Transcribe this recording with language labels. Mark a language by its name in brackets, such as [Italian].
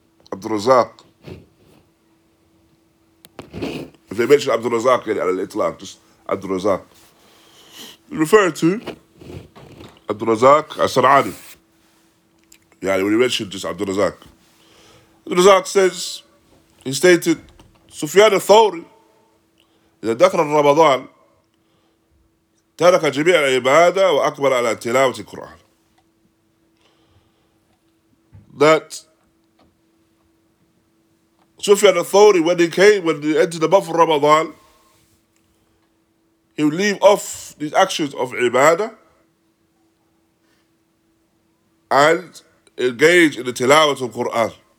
[English] Abdul Razak. If they mention Abdul Razak, just Abdul Razak. Referred to Abdul Razak As-Sanani. Yeah, when he mentioned just Abdul Razak. Abdul Razak says, he stated, Sufyan al-Thawri, [Arabic] إذا دخل الرمضان ترك جميع العبادة وأقبل على تلاوة القرآن. [English] That Sufyan al-Thawri, when he came, when he entered the month of Ramadan, he would leave off these actions of ibadah and engage in the tilawat of Quran.